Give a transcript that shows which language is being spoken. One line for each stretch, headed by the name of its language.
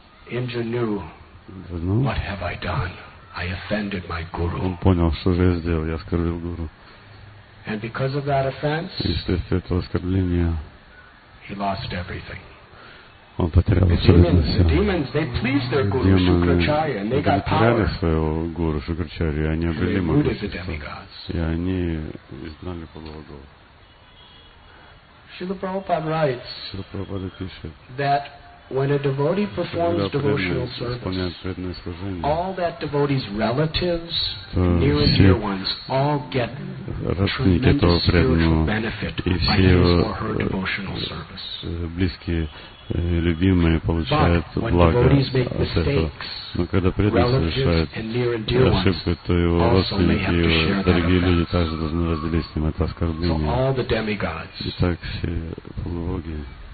English: Indra knew, what have I done? I offended my guru.
Russian: Он понял, что же я сделал, я оскорбил гуру.
English: And because of that offense,
Russian: и вследствие этого оскорбления,
English: he lost everything.
Russian: Он потерял абсолютно все.
English: The demons, they pleased their guru, Shukracharya, and they got power.
Russian: Они потеряли своего гуру, Шукрачарью, и они обрели могущество. И они изгнали полубогов.
English: Srila Prabhupada writes,
Russian: Srila Prabhupada пишет,
English: that when a devotee performs devotional service, all that devotee's relatives, near and dear ones, all get tremendous spiritual benefit by his or her devotional service.
Russian: Любимые получают благо от этого. Но когда преданный совершает ошибку, то его родственники, его дорогие люди также должны разделить с ним это оскорбление. Итак, все полубоги.